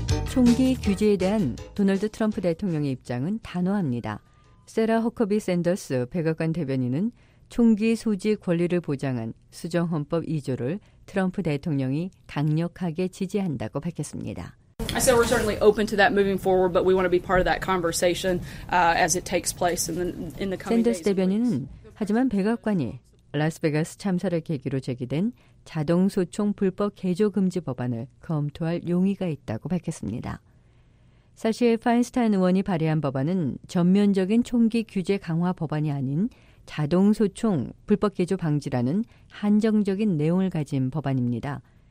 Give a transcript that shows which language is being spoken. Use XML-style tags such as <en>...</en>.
<ko>총기 규제에 대한 도널드 트럼프 대통령의 입장은 단호합니다. 세라 허커비 샌더스 백악관 대변인은 총기 소지 권리를 보장한 수정헌법 2조를 트럼프 대통령이 강력하게 지지한다고 밝혔습니다.</ko> <en>I said we're certainly open to that moving forward, but we want to be part of that conversation as it takes place in the coming days.</en> <ko>샌더스 대변인은 하지만 백악관이 라스베가스 참사를 계기로 제기된 자동소총 불법 개조 금지 법안을 검토할 용의가 있다고 밝혔습니다. 사실 파인스타인 의원이 발의한 법안은 전면적인 총기 규제 강화 법안이 아닌 자동소총 불법 개조 방지라는 한정적인 내용을 가진 법안입니다.</ko>